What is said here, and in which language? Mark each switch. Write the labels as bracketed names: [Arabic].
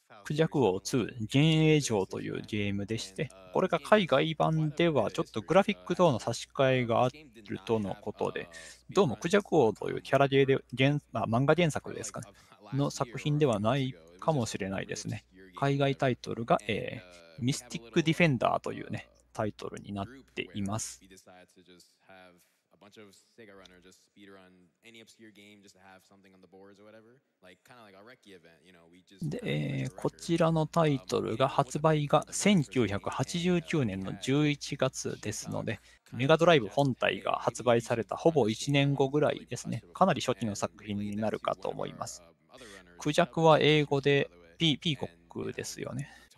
[Japanese] クジャク王2、幻影城というゲームでして、これが海外版ではちょっとグラフィック等の差し替えがあるとのことで、どうもクジャク王というキャラゲーで、漫画原作ですかね、の作品ではないかもしれないですね。海外タイトルが、ミスティックディフェンダーというね、タイトルになっています。 [English] Bunch of Sega runners just speedrun any obscure game just to have something on the boards or whatever, like kind of like a recce event, you know. We just. [Japanese] で、こちらのタイトルが発売が1989年の11月ですので、メガドライブ本体が発売されたほぼ1年後ぐらいですね。かなり初期の作品になるかと思います。クジャクは英語でピーコックですよね。